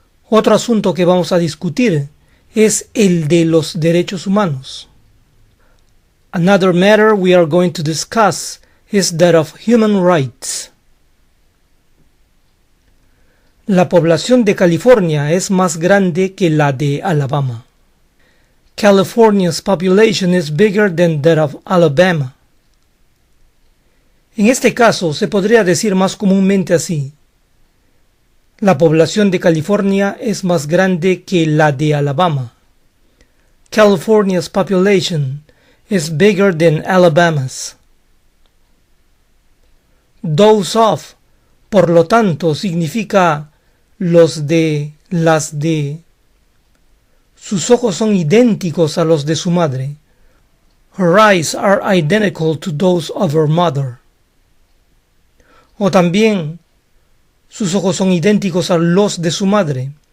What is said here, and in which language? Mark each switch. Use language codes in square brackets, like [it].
[es] Otro asunto que vamos a discutir es el de los derechos humanos. [en] Another matter we are going to discuss is that of human rights. [es] La población de California es más grande que la de Alabama. [en] California's population is bigger than that of Alabama. [es] En este caso, se podría decir más comúnmente así. La población de California es más grande que la de Alabama. [en] California's population is bigger than Alabama's. [es] Those of, por lo tanto, significa los de, las de. Sus ojos son idénticos a los de su madre. [en] Her eyes are identical to those of her mother. [es] O también, sus ojos son idénticos a los de su madre.